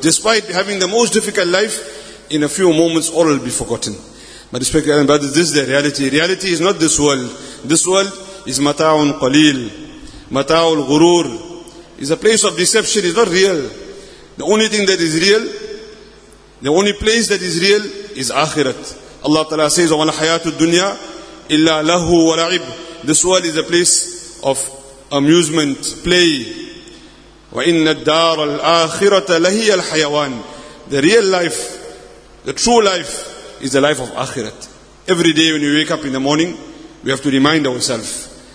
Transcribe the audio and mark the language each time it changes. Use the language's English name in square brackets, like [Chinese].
[English] Despite having the most difficult life, in a few moments all will be forgotten. My respected brothers, this is the reality. Reality is not this world. This world is mata'un qaleel, mata'ul ghurur, is a place of deception. It's not real. The only thing that is real, the only place that is real, is akhirat. Allah Ta'ala says, [Arabic] وَمَا الْحَيَاةُ الدُّنْيَا إِلَّا لَهُ وَلَعِبْ. [English] This world is a place of amusement, play. [Arabic] وَإِنَّ الدَّارَ الْآخِرَةَ لَهِيَ الْحَيَوَانِ. [English] The real life, the true life, is the life of akhirat. Every day when you wake up in the morning, we have to remind ourselves.